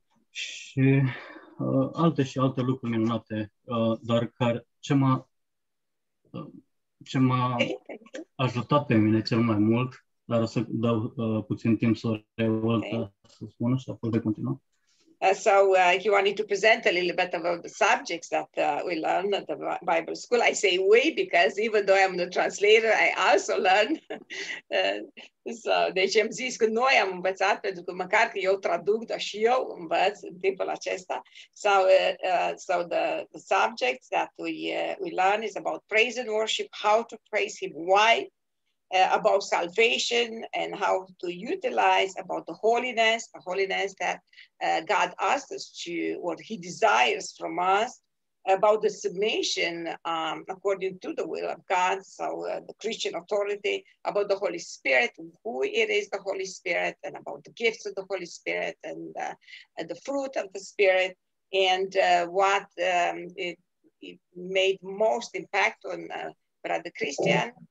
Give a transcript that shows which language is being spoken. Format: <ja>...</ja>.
<ro>Și alte și alte lucruri minunate, dar care ce m-a ajutat pe mine cel mai mult, dar o să dau puțin timp să o revoltă, să spună și apoi de continuă.</ro> <en>So he wanted to present a little bit about the subjects that we learn at the Bible school. I say we because even though I'm the translator, I also learn.</en> <ro>So deci am zis că noi am învățat, pentru că măcar că eu traduc, dar și eu învăț în timpul acesta.</ro> <en>So the subjects that we learn is about praise and worship, how to praise him, why, about salvation and how to utilize about the holiness that God asks us to, what he desires from us, about the submission according to the will of God, so the Christian authority, about the Holy Spirit, who it is, the Holy Spirit, and about the gifts of the Holy Spirit and the fruit of the Spirit, and what it made most impact on Brother Christian.</en>